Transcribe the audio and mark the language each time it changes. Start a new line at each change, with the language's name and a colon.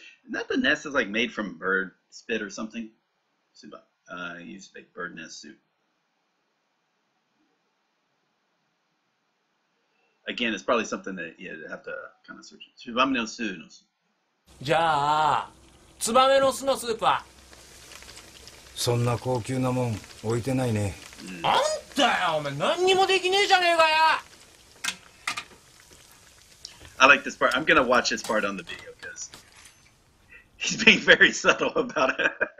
English: Not the nest is like made from bird spit or something.
Japanese: ツバ。
English: You just make bird nest soup. Again, it's probably something that you have to kind of search.
Japanese: ツバメの巣の巣。じゃあ、ツバメの巣のスープは。そんな高級なもん置いてないね。あんたよ、お前何にもできねえじゃねえかよ。
English: I like this part. I'm gonna watch this part on the video because he's being very subtle about it.